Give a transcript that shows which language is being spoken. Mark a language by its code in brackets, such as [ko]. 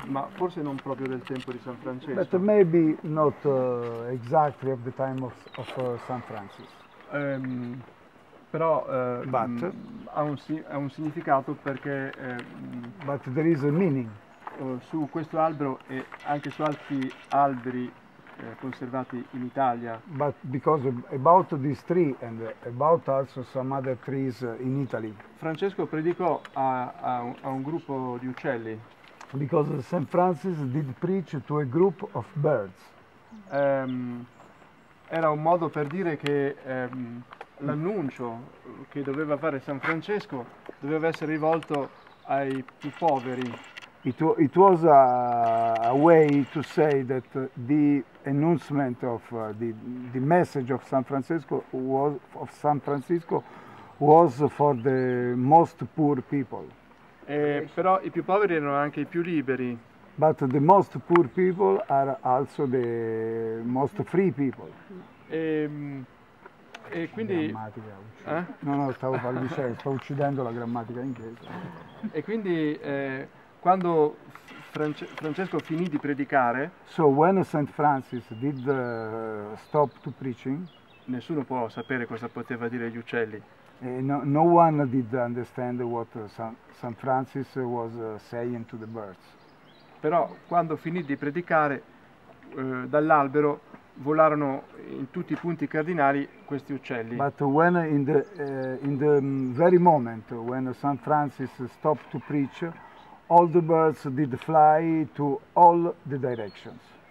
[it] Ma forse non proprio del tempo di San Francesco. [en] But maybe not exactly of the time of San Francis. [it] Però [en] but, [it] ha un significato perché... [en] but there is a meaning. [it] Su questo albero e anche su altri alberi conservati in Italia. [en] But because about this tree and about also some other trees in Italy. [it] Francesco predicò a un gruppo di uccelli. [en] Because Saint Francis did preach to a group of birds. [it] Era un modo per dire che l'annuncio che doveva fare San Francesco doveva essere rivolto ai più poveri. [en] It was a way to say that the announcement of the message of San Francisco was for the most poor people. [it] Però i più poveri erano anche i più liberi. [en] But the most poor people are also the most free people. [it] E, e quindi grammatica, no, no, stavo parlando di serio, sto uccidendo la grammatica inglese. E quindi quando Francesco finì di predicare, [en] so when Saint Francis did stop to preaching, [it] nessuno può sapere cosa poteva dire gli uccelli. [en] No one did understand what Saint Francis was saying to the birds. [it] Però quando finì di predicare dall'albero volarono in tutti i punti cardinali questi uccelli. [en] But when in the very moment when Saint Francis stopped to preach, all the birds did fly to all the directions.